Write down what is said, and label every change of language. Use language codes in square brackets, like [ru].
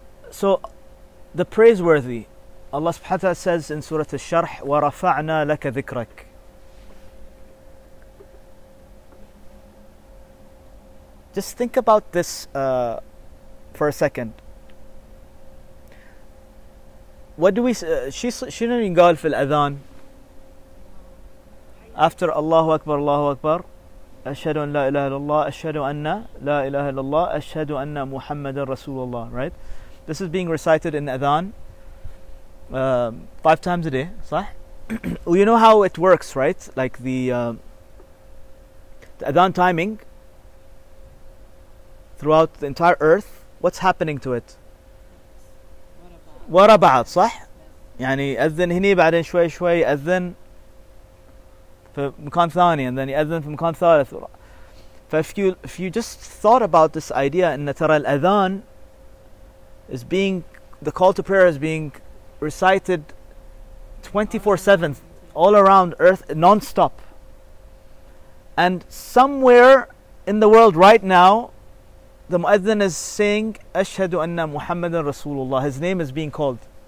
[en] So the praiseworthy, Allah subhanahu wa ta'ala says in Surah Al-Sharh, [ar] وَرَفَعْنَا لَكَ ذِكْرَكَ. [en] Just think about this for a second. What do we say? She didn't even go in the adhan. [ar] After Allahu Akbar, Allahu Akbar, أَشْهَدُ أَنَّ لَا إِلَهَ إِلَّا أَشْهَدُ أَنَّ لَا إِلَهَ إِلَّا اللَّهُ أَشْهَدُ أَنَّ مُحَمَّدًا رَسُولُ اللَّهِ, right? [en] This is being recited in adhan. Five times a day, right? Well, you know how it works, right? Like the adhan timing throughout the entire earth, what's happening to it? [ar] Wara ba'd, صح؟ يعني أذن هني بعدين شوي شوي أذن في مكان ثاني [en] and then [ar] أذن في مكان ثالث. [en] If you just thought about this idea, [ar] إن ترى الأذان [en] is being, the call to prayer is being recited 24/7 all around earth non-stop, and somewhere in the world right now the muezzin is saying [ar] ashhadu anna muhammadan rasulullah, [en] his name is being called